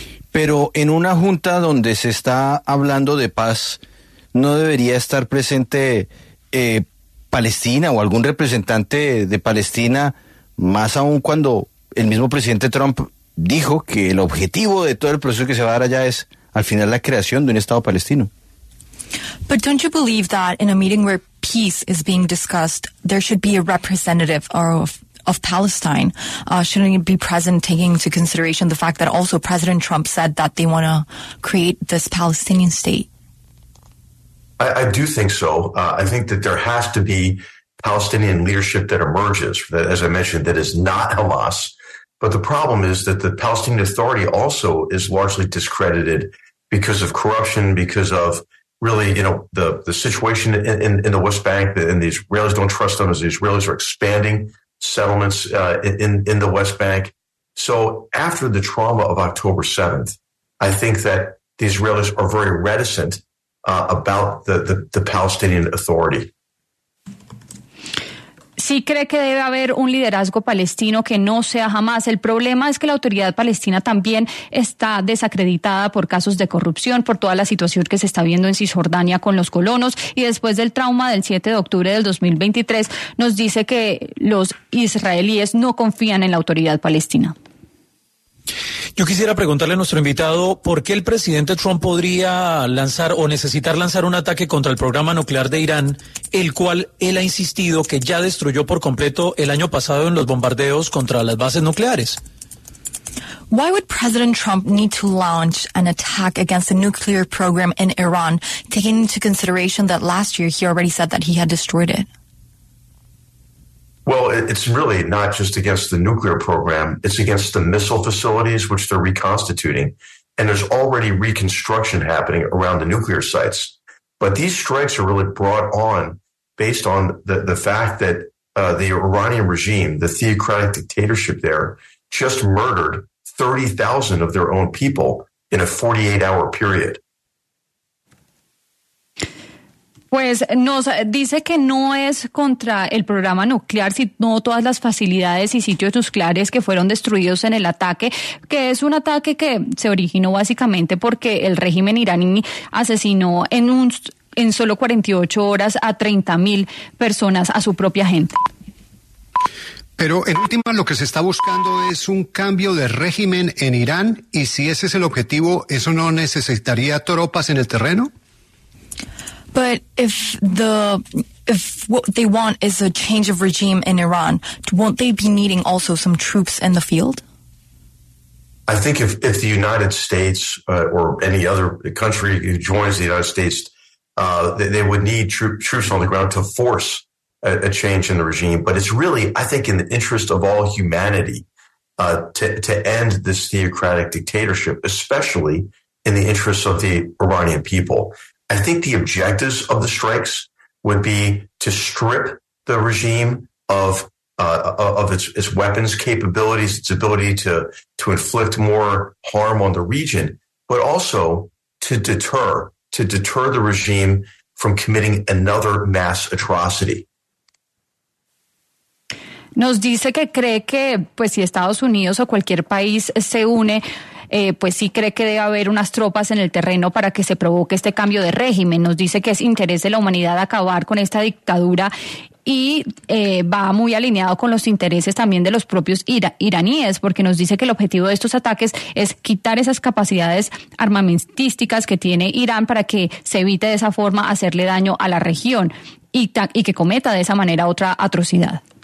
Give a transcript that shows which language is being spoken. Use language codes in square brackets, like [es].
[es] Pero en una junta donde se está hablando de paz, ¿no debería estar presente Palestina o algún representante de Palestina? Más aún cuando el mismo presidente Trump dijo que el objetivo de todo el proceso que se va a dar allá es, al final, la creación de un Estado palestino. [en] But don't you believe that in a meeting where peace is being discussed, there should be a representative of Palestine? Shouldn't it be present, taking into consideration the fact that also President Trump said that they want to create this Palestinian state? I do think so. I think that there has to be Palestinian leadership that emerges, that, as I mentioned, that is not Hamas. But the problem is that the Palestinian Authority also is largely discredited because of corruption, because of really, you know, the situation in the West Bank, and the Israelis don't trust them as the Israelis are expanding settlements in the West Bank. So after the trauma of October 7th, I think that the Israelis are very reticent about the Palestinian Authority. [es] Sí cree que debe haber un liderazgo palestino que no sea Hamas. El problema es que la autoridad palestina también está desacreditada por casos de corrupción, por toda la situación que se está viendo en Cisjordania con los colonos. Y después del trauma del 7 de octubre del 2023, nos dice que los israelíes no confían en la autoridad palestina. Yo quisiera preguntarle a nuestro invitado, ¿por qué el presidente Trump podría lanzar o necesitar lanzar un ataque contra el programa nuclear de Irán, el cual él ha insistido que ya destruyó por completo el año pasado en los bombardeos contra las bases nucleares? [en] Why would President Trump need to launch an attack against the nuclear program in Iran, taking into consideration that last year he already said that he had destroyed it? Well, it's really not just against the nuclear program. It's against the missile facilities, which they're reconstituting. And there's already reconstruction happening around the nuclear sites. But these strikes are really brought on based on the fact that the Iranian regime, the theocratic dictatorship there, just murdered 30,000 of their own people in a 48-hour period. [es] Pues nos dice que no es contra el programa nuclear, sino todas las facilidades y sitios nucleares que fueron destruidos en el ataque, que es un ataque que se originó básicamente porque el régimen iraní asesinó en solo 48 horas a 30.000 personas, a su propia gente. Pero en última, lo que se está buscando es un cambio de régimen en Irán, y si ese es el objetivo, ¿eso no necesitaría tropas en el terreno? [en] But if what they want is a change of regime in Iran, won't they be needing also some troops in the field? I think if the United States or any other country who joins the United States, they would need troops on the ground to force a change in the regime. But it's really, I think, in the interest of all humanity to end this theocratic dictatorship, especially in the interests of the Iranian people. I think the objectives of the strikes would be to strip the regime of its weapons capabilities, its ability to inflict more harm on the region, but also to deter the regime from committing another mass atrocity. [es] Nos dice que cree que, pues, si Estados Unidos o cualquier país se une, pues sí cree que debe haber unas tropas en el terreno para que se provoque este cambio de régimen. Nos dice que es interés de la humanidad acabar con esta dictadura y va muy alineado con los intereses también de los propios iraníes, porque nos dice que el objetivo de estos ataques es quitar esas capacidades armamentísticas que tiene Irán para que se evite de esa forma hacerle daño a la región y que cometa de esa manera otra atrocidad.